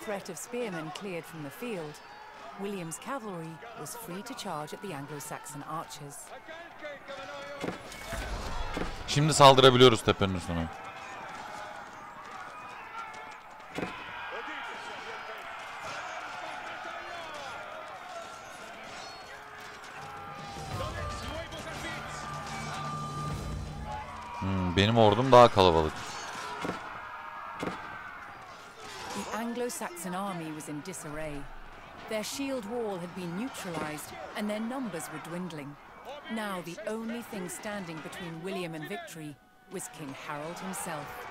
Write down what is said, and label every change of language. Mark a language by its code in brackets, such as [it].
[en] Of spearmen cleared from the field, William's cavalry was free to charge at the Anglo-Saxon archers. [tr] Şimdi saldırabiliyoruz tepenin üstüne. Benim ordum daha kalabalık. [en] Saxon army was in disarray. Their shield wall had been neutralized and their numbers were dwindling. Now the only thing standing between William and victory was King Harold himself.